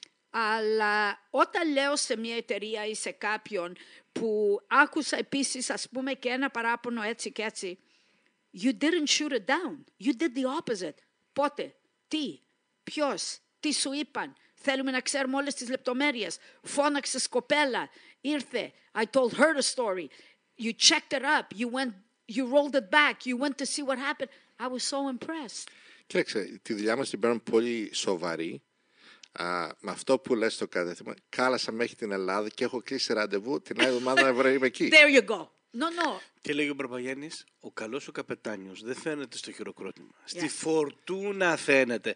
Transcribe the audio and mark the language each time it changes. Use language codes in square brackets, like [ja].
[el] Αλλά όταν λέω σε μια εταιρεία ή σε κάποιον που άκουσα επίσης, ας πούμε, και ένα παράπονο έτσι και έτσι, [en] you didn't shoot it down. You did the opposite. [el] Πότε, τι, ποιος, τι σου είπαν. Θέλουμε να ξέρουμε όλες τις λεπτομέρειες. Φώναξες κοπέλα, ήρθε, [en] I told her a story. You checked it up, you rolled it back, you went to see what happened. I was so impressed. [el] Κοίταξε, τη δουλειά μας την παίρνουμε πολύ σοβαρή. Με αυτό που λες το κατεθήμα, κάλασα μέχρι την Ελλάδα και έχω κλείσει ραντεβού την άλλη εβδομάδα να βρω είμαι εκεί. [en] There you go. No. [el] Και λέει ο Μπαρμπαγιάννης, ο καλός ο καπετάνιος δεν φαίνεται στο χειροκρότημα. Yeah. Στη φορτούνα φαίνεται.